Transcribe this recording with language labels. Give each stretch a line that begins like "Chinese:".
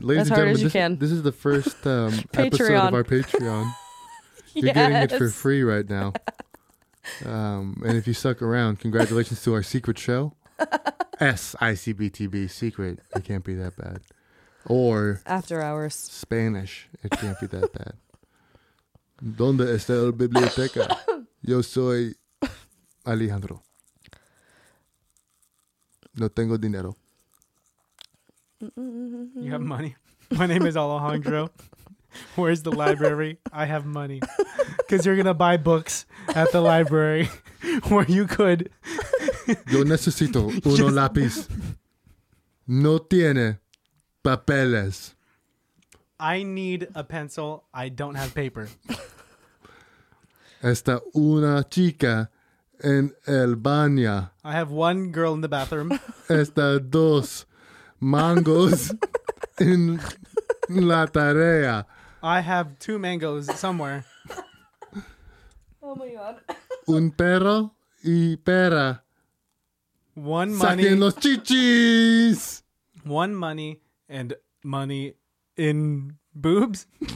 English: Ladies and gentlemen, this is the first episode of our Patreon. Yes. You're getting it for free right now. And if you suck around, congratulations to our secret show. S-I-C-B-T-B, secret, it can't be that bad. Or after hours. Spanish, it can't be that bad.
Spanish: ¿Dónde está la biblioteca? Yo soy Alejandro. No tengo dinero.
English: You have money. My name is Alejandro. Where's the library? I have money. Because you're going to buy books at the library where you could.
Spanish: Yo necesito uno lápiz. No tiene papeles.
English: I need a pencil. I don't have paper.
Spanish: Está una chica en el baño.
English: I have one girl in the bathroom.
Spanish: Está dos mangos en la tarea.
English: I have two mangoes somewhere. Oh my god.
Spanish: Un perro y pera.
English: One money.
Spanish: Saquen los chichis.
English: One money and money in boobs.